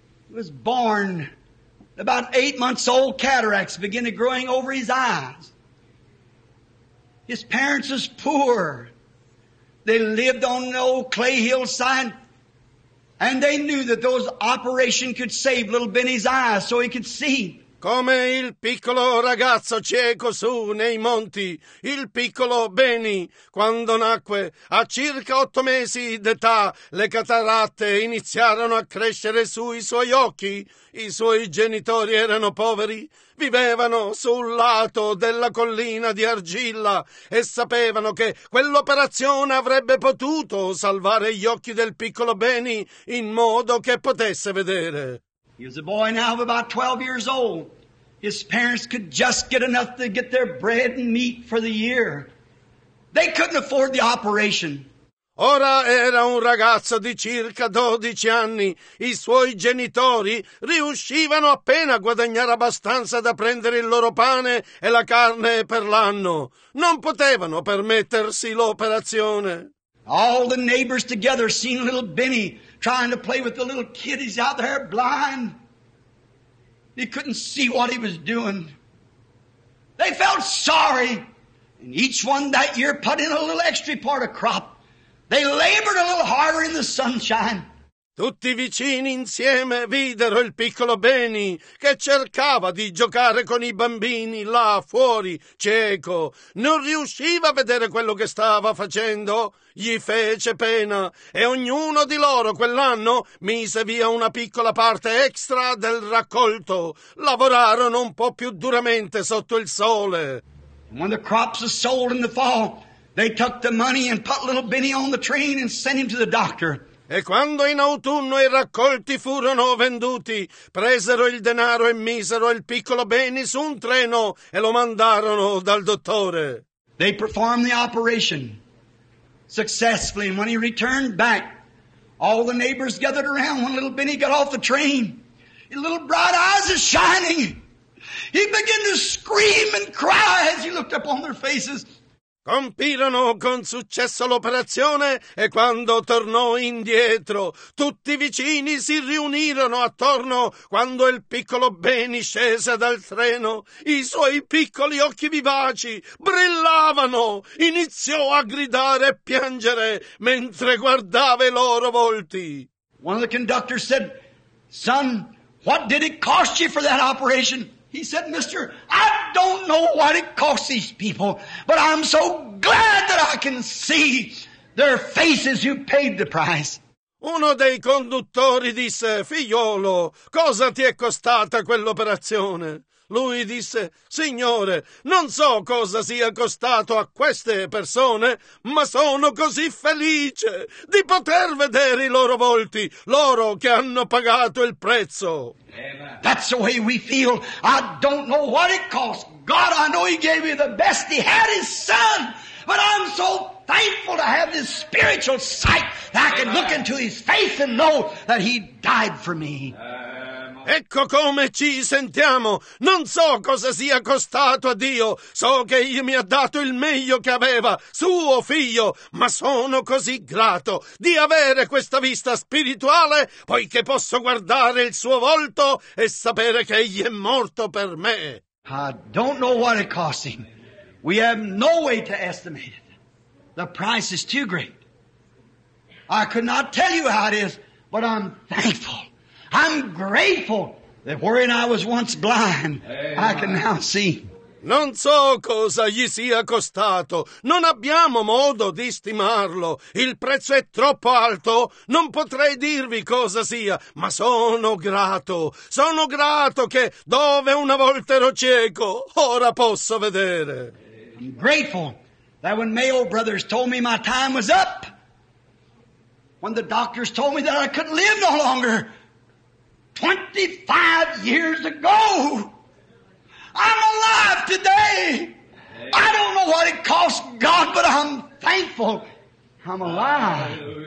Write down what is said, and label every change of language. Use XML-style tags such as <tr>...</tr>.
<en>was born about 8 months old, cataracts began growing over his eyes. His parents was poor. They lived on the old clay hillside, and they knew that those operation could save little Benny's eyes so he could see.</en> <it>Come il piccolo ragazzo cieco su nei monti, il piccolo Benny, quando nacque a circa 8 mesi d'età, le cataratte iniziarono a crescere sui suoi occhi. I suoi genitori erano poveri, vivevano sul lato della collina di argilla e sapevano che quell'operazione avrebbe potuto salvare gli occhi del piccolo Benny in modo che potesse vedere.</it> <en>He was a boy now of about 12 years old. His parents could just get enough to get their bread and meat for the year. They couldn't afford the operation.</en> <it>Ora era un ragazzo di circa 12 anni. I suoi genitori riuscivano appena a guadagnare abbastanza da prendere il loro pane e la carne per l'anno. Non potevano permettersi l'operazione.</it> <en>All the neighbors together seen little Benny trying to play with the little kid. He's out there blind. He couldn't see what he was doing. They felt sorry. And each one that year put in a little extra part of crop. They labored a little harder in the sunshine.</en> <it>Tutti vicini insieme videro il piccolo Benny che cercava di giocare con i bambini là fuori, cieco. Non riusciva a vedere quello che stava facendo. Gli fece pena e ognuno di loro quell'anno mise via una piccola parte extra del raccolto. Lavorarono un po' più duramente sotto il sole.</it> <en>When the crops were sold in the fall, they took the money and put little Benny on the train and sent him to the doctor.</en> <it>E quando in autunno i raccolti furono venduti, presero il denaro e misero il piccolo Benny su un treno e lo mandarono dal dottore.</it> <en>They performed the operation successfully, and when he returned back, all the neighbors gathered around. When little Benny got off the train, his little bright eyes were shining. He began to scream and cry as he looked up on their faces.</en> <it>Compirono con successo l'operazione e quando tornò indietro, tutti i vicini si riunirono attorno. Quando il piccolo Benny scese dal treno, i suoi piccoli occhi vivaci brillavano. Iniziò a gridare e piangere mentre guardava i loro volti.</it> <en>One of the conductors said, "Son, what did it cost you for that operation?" He said, "Mister, I don't know what it costs these people, but I'm so glad that I can see their faces who paid the price."</en> <it>Uno dei conduttori disse, "Figliolo, cosa ti è costata quell'operazione?" Lui disse, "Signore, non so cosa sia costato a queste persone, ma sono così felice di poter vedere i loro volti, loro che hanno pagato il prezzo."</it> <en>Amen. That's the way we feel. I don't know what it cost. God, I know He gave me the best. He had His Son. But I'm so thankful to have this spiritual sight that I can look into His face and know that He died for me.</en> <it>Ecco come ci sentiamo. Non so cosa sia costato a Dio. So che Egli mi ha dato il meglio che aveva, suo figlio. Ma sono così grato di avere questa vista spirituale, poiché posso guardare il suo volto e sapere che Egli è morto per me.</it> <en>I don't know what it costs Him. We have no way to estimate it. The price is too great. I could not tell you how it is, but I'm thankful. I'm grateful that wherein I was once blind, I can now see.</en> <it>Non so cosa gli sia costato. Non abbiamo modo di stimarlo. Il prezzo è troppo alto. Non potrei dirvi cosa sia, ma sono grato. Sono grato che dove una volta ero cieco, ora posso vedere.</it> <en>I'm grateful that when Mayo Brothers told me my time was up, when the doctors told me that I couldn't live no longer, 25 years ago, I'm alive today. I don't know what it costs God, but I'm thankful I'm alive.</en>